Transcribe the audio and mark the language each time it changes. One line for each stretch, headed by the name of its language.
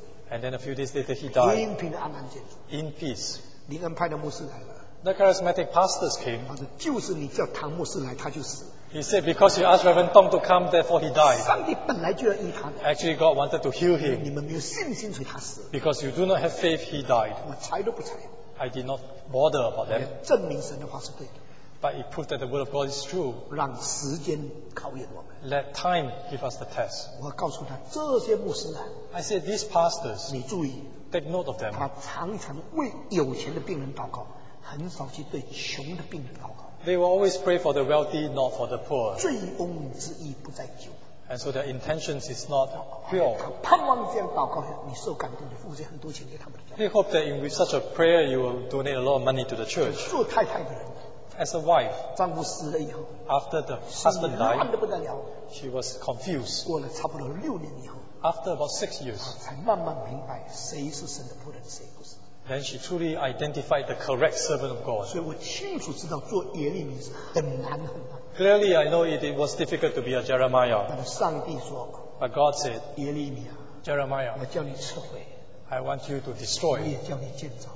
English: And then a few days later he died in peace.
Chinese: 灵恩派的牧师来了,
English: the charismatic pastors came.
Chinese: 他说就是你叫唐牧师来, 他就死,
English: he said, because you asked Reverend Tong to come, therefore he died.
Chinese: 上帝本来就要医他,
English: actually God wanted to heal him.
Chinese: 你们没有信心,
English: because you do not have faith, he died.
Chinese: 我猜都不猜,
English: I did not bother about them.
Chinese: 证明神的话是对的,
English: but it proved that the word of God is true.
Chinese: 让时间考验我们,
English: let time give us the test.
Chinese: 我告诉他, 这些牧师啊,
English: I said, these pastors,
Chinese: 你注意,
English: take note of them.
Chinese: 他常常为有钱的病人祷告,
English: they will always pray for the wealthy, not for the poor.
Chinese: 醉翁之意不在酒,
English: And so their intentions is not pure.
Chinese: 盼望这样祷告，你受感动，你付出很多钱给他们的家。
English: They hope that with such a prayer, you will donate a lot of money to the church.
Chinese: 做太太的人,
English: as a wife,
Chinese: 丈夫死了以后,
English: after the husband died, she was confused.
Chinese: 过了差不多六年以后,
English: after about 6 years,
Chinese: 才慢慢明白谁是神的仆人，谁。
English: Then she truly identified the correct servant of God. Clearly, I know it was difficult to be a Jeremiah.
Chinese: 但上帝说,
English: but God said,
Chinese: 耶利米亚,
English: Jeremiah,
Chinese: 我叫你撤回,
English: I want you to destroy,
Chinese: 我也叫你建造,